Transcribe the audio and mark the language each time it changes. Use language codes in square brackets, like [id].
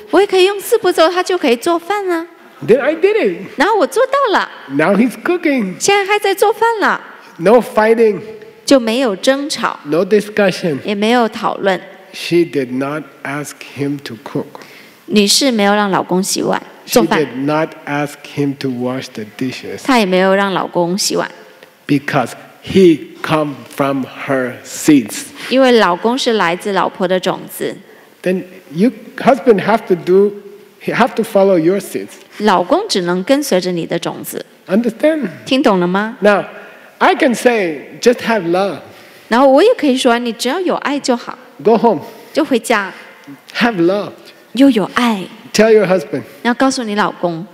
[zh] 我也可以用四步骤，他就可以做饭啊。 [en] Then I did it. [zh] 然后我做到了。 [en] Now he's cooking. [zh] 现在还在做饭了。 [en] No fighting. [zh] 就没有争吵。 [en] No discussion. [zh] 也没有讨论。 [en] She did not ask him to cook. [zh] 女士没有让老公洗碗做饭。 [en] She did not ask him to wash the dishes. [zh] 她也没有让老公洗碗。 [en] Because. He come from her seeds. [zh] 因为老公是来自老婆的种子。 [en] Then you husband have to do, he have to follow your seeds. [zh] 老公只能跟随着你的种子。 [en] Understand? [zh] 听懂了吗 [en] ？Now, I can say just have love. [zh] 然后我也可以说，你只要有爱就好。 [en] Go home. [zh] 就回家。 [en] Have love. [zh] 又有爱。 [en] Tell your husband. [zh] 然后告诉你老公。